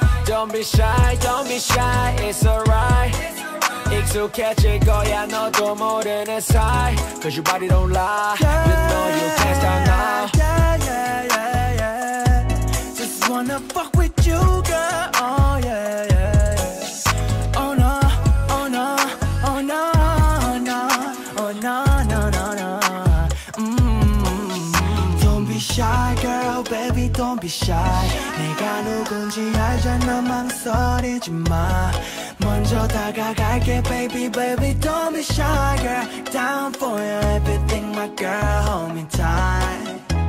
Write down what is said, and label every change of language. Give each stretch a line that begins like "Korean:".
English: Don't be shy, don't be shy, it's alright.
Korean: 익숙해질 거야 너도 모르는 사이.
English: Cause your body don't lie. Yeah, you know you can't stop now. Yeah, yeah, yeah, yeah. Just wanna fuck with you, girl. Oh, yeah, yeah, yeah. Oh, no, oh, no, oh, no, oh, no, oh, no, no, no, no. Don't be shy, girl, baby, don't be shy.
Korean: 내가 누군지 알잖아, 망설이지 마. 먼저 다가갈게,
English: baby, baby, don't be shy, girl. Down for you, everything, my girl, hold me tight.